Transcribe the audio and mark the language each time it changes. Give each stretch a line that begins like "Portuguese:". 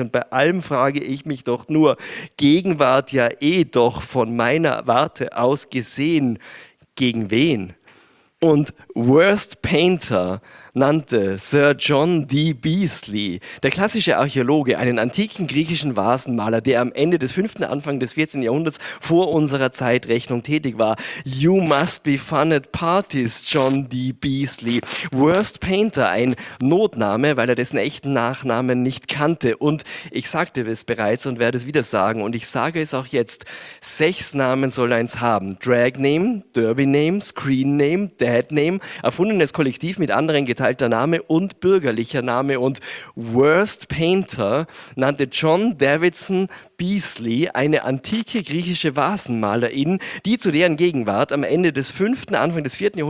German: Und bei allem frage ich mich doch nur, Gegenwart ja eh doch von meiner Warte aus gesehen, gegen wen? Und Worst Painter nannte Sir John D. Beasley, der klassische Archäologe, einen antiken griechischen Vasenmaler, der am Ende des 5., Anfang des 14. Jahrhunderts vor unserer Zeitrechnung tätig war.
English: You must be fun at parties, John D.
German: Beasley. Worst Painter, ein Notname, weil er dessen echten Nachnamen nicht kannte. Und ich sagte es bereits und werde es wieder sagen und ich sage es auch jetzt. 6 Namen soll eins haben. Drag Name, Derby Name, Screen Name, Dad Name, erfundenes Kollektiv mit anderen geteilter Name und bürgerlicher Name und Worst Painter nannte John Davidson Beasley eine antike griechische Vasenmalerin, die zu deren Gegenwart am Ende des 5., Anfang des 4.